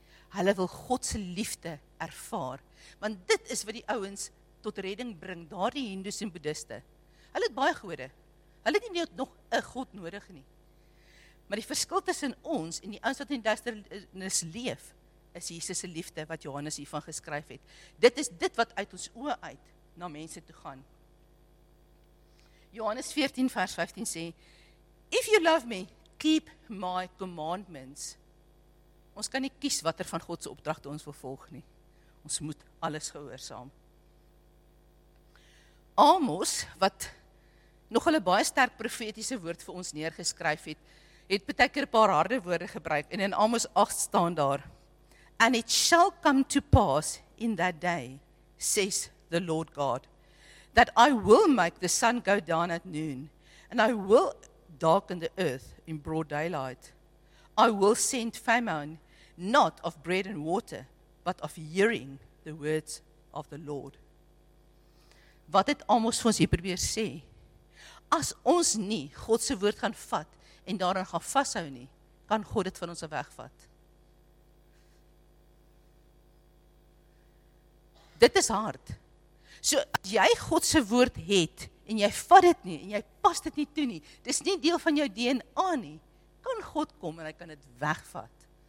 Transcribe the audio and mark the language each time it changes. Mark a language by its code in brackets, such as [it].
[af] Hulle wil God se liefde ervaar, want dit is wat die ouens tot redding bring, daardie Hindus en Boeddhiste. Hulle het baie gode. Hulle het nie nog 'n God nodig nie. Maar die verskil tussen ons en die ouens wat in duisternis leef, is Jesus se liefde wat Johannes hiervan geskryf het. Dit is dit wat uit ons oë uit na mense toe gaan. Johannes 14 vers 15 sê, [en] "If you love me, keep my commandments." [af] Ons kan nie kies watter van God se opdragte ons wil volg nie. Ons moet alles gehoorsaam. Amos, wat nog hulle baie sterk profetiese woord vir ons neergeskryf het, het baie keer 'n paar harde woorde gebruik en in Amos 8 staan daar: [en] And it shall come to pass in that day, says the Lord God, that I will make the sun go down at noon, and I will darken the earth in broad daylight. I will send famine not of bread and water, but of hearing the words of the Lord. [af] Wat het Amos vir ons hier probeer sê? As ons nie God se woord gaan vat en daaraan gaan vashou nie, kan God dit van ons wegvat. Dit is hard. So as jy God se woord het en jy vat dit nie en jy pas dit nie toe nie, dis nie deel van jou DNA nie, kan God kom en hy kan dit wegvat.